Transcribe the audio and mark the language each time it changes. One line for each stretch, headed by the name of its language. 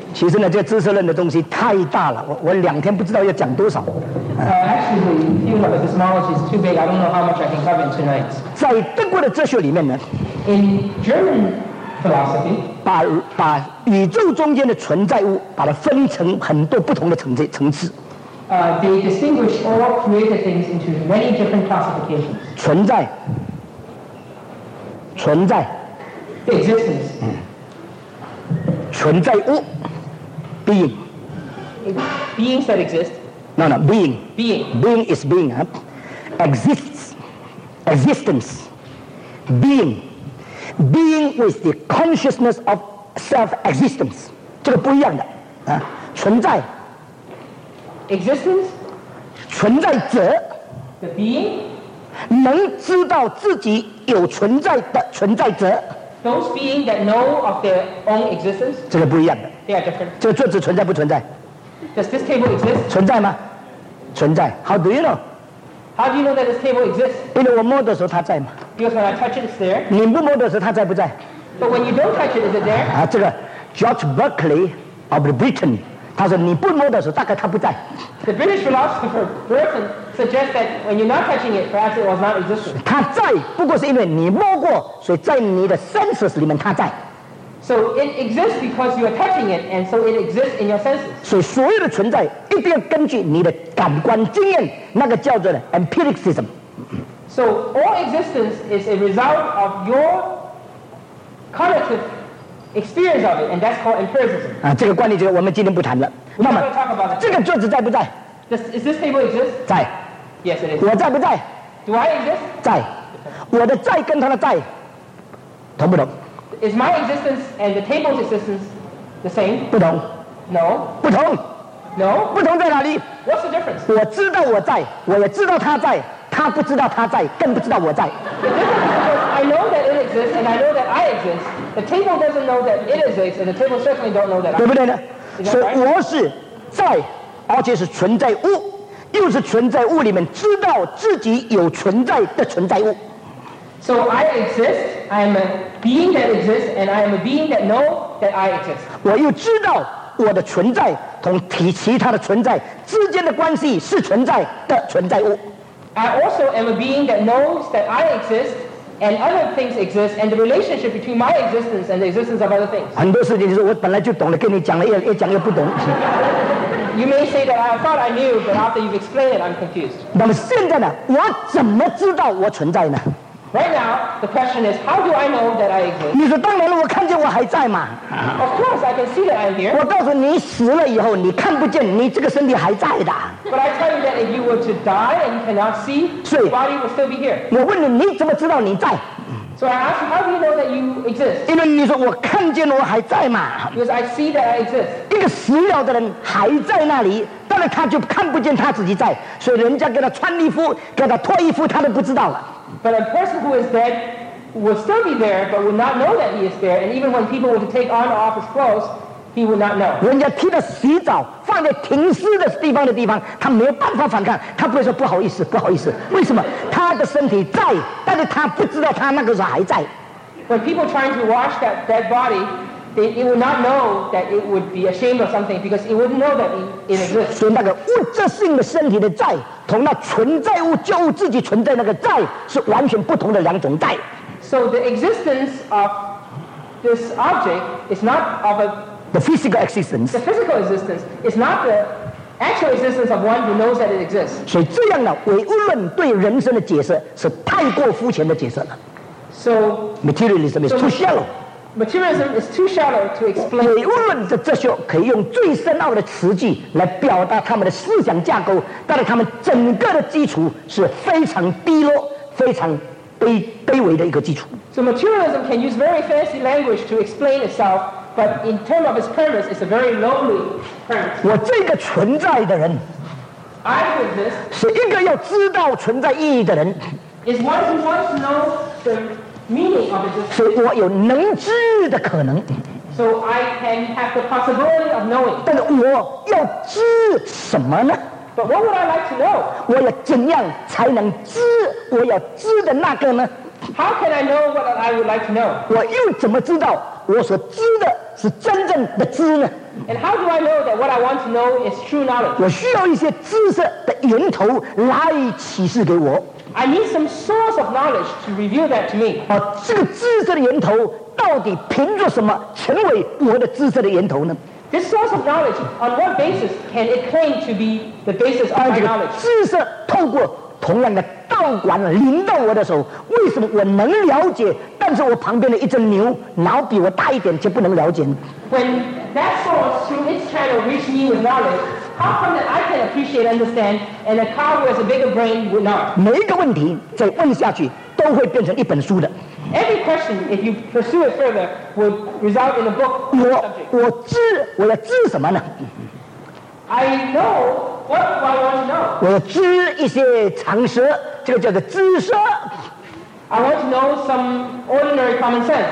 Chinese: 其实呢，这个知识论的东西太大了，我两天不知道要讲多少。
English: Actually, the field of epistemology is too big. I don't know how much I can cover in two nights.
Chinese: 在德国的哲学里面呢
English: ，In German philosophy,
Chinese: 把宇宙中间的存在物把它分成很多不同的层次。
English: They distinguish all created things into many different classifications.
Chinese: 存在
English: existence.
Chinese: 存在物
English: being beings that exist no being is being、huh? exists existence being with the consciousness of self existence
Chinese: 这个不一样的、
English: huh?
Chinese: 存在
English: existence
Chinese: 存在者
English: the being
Chinese: 能知道自己有存在的存在者
English: Those beings that know of their own existence,
Chinese: 这个不一样的
English: they are different.
Chinese: 这个桌子存在不存在
English: Does this table exist?
Chinese: 存在吗存在
English: How do you know? How do you know that this table exists?
Chinese: 因为我摸的时候它在吗
English: Because when I touch it, it's there.
Chinese: 你不摸的时候它在不在
English: But when you don't touch it, is it there?
Chinese: 啊，这个 George Berkeley of Britain， 他说你不摸的时候，大概它不在。
English: The British philosopher Berkeley suggests that when you're not touching it, perhaps it was not existent.
Chinese: 它在，不过是因为你摸过，所以在你的 senses 里面它在。
English: So it exists because you are touching it, and so it exists in your senses.
Chinese: 所以所有的存在一定要根据你的感官经验，那个叫做 empiricism。
English: So all existence is a result of your cognitive experience of it, and that's called empiricism.
Chinese: 啊，这个观念就我们今天不谈了。那么这个桌子在不在？
English: Is this table exist?
Chinese: 在。
English: Yes, it is.
Chinese: 我在不在？
English: Do I exist?
Chinese: 在。我的在跟他的在，同不同？
English: Is my existence and the table's existence the same?
Chinese: 不同。
English: No.
Chinese: 不同。
English: No.
Chinese: 不同在哪里？
English: What's the difference?
Chinese: 我知道我在，我也知道他在，他不知道他在，更不知道我在。
English: The difference is because I know that it exists and I know that I exist. The table doesn't know that it exists and the table certainly don't know that I exist.
Chinese: 对不对呢？
English: Is that right? 所
Chinese: 以我是在，而且是存在物，又是存在物里面知道自己有存在的存在物。
English: So I exist, I am a being that exists, and I am a being that knows that I exist.
Chinese: 我又知道我的存在同其他的存在之间的关系是存在的存在物。
English: I also am a being that knows that I exist, and other things exist, and the relationship between my existence and the existence of other things.
Chinese: 很多事情就是我本来就懂了，跟你讲了越讲越不懂。
English: You may say that I thought I knew, but after you've explained it, I'm confused.
Chinese: 那么现在呢？我怎么知道我存在呢？
English: Right now, the question is, how do I know that I exist?
Chinese: 你说当然了，我看见我还在嘛。
English: Of course, I can see that I'm here.
Chinese: 我告诉你，死了以后你看不见，你这个身体还在的。
English: But I tell you that if you were to die and you cannot see, your body will still be here.
Chinese: 我问你，你怎么知道你在？
English: So I ask you, how do you know that you exist?
Chinese: 因为你说我看见我还在嘛。
English: Because I see that I exist.
Chinese: 一个死了的人还在那里，但是他就看不见他自己在，所以人家给他穿衣服，给他脱衣服，他都不知道了。
English: But a person who is dead will still be there, but will not know that he is there. And even when people were to take on or off his clothes, he will not know.
Chinese: 人家替他洗澡，放在停尸的地方，他没有办法反抗，他不会说不好意思。为什么？他的身体在，但是他不知道他那个时候还在。
English: When people trying to wash that dead body, it will not know that it would be ashamed of something because it wouldn't know that it exists.
Chinese: 所以那个物质性的身体的在。同那存在物就自己存在那个在是完全不同的两种在。
English: So the existence of this object is not of a the physical existence. The physical existence is not the actual existence of one who knows that it exists.
Chinese: 所以这样的唯物论对人生的解释是太过肤浅的解释了。
English: So materialism is too shallow. Materialism is too shallow to explain.
Chinese: 唯物论的哲学可以用最深奥的词句来表达他们的思想架构，但是他们整个的基础是非常低落、非常卑微的一个基础。
English: So materialism can use very fancy language to explain itself, but in terms of its premise, it's a very lowly premise.
Chinese: 我这个存在的人
English: ，I do exist，
Chinese: 是一个要知道存在意义的人
English: ，is one who wants to know the。
Chinese: 所以我有能知的可能。
English: So I can have the possibility of knowing.
Chinese: 但是我要知什么呢
English: ？But what would I like to know?
Chinese: 我要怎样才能知我要知的那个呢
English: ？How can I know what I would like to know?
Chinese: 我又怎么知道我所知的是真正的知呢
English: ？And how do I know that what I want to know is true knowledge?
Chinese: 我需要一些知识的源头来启示给我。
English: I need some source of knowledge to reveal that to me.
Chinese: 啊，这个知识的源头到底凭着什么成为我的知识的源头呢
English: ？This source of knowledge, on what basis can it claim to be the basis of my knowledge?
Chinese: 知识透过同样的道馆临到我的时候，为什么我能了解，但是我旁边的一只牛脑比我大一点却不能了解呢
English: ？When that source through its channel reached me with knowledge. How come that I can appreciate, understand, and a cow who has a bigger brain would not?
Chinese: 每一个问题再问下去，都会变成一本书的。
English: Every question, if you pursue it further, would result in a book.
Chinese: 我要知什么呢
English: ？I know what I want to know.
Chinese: 我要知一些常识，这个叫做知识。
English: I want to know some ordinary common sense.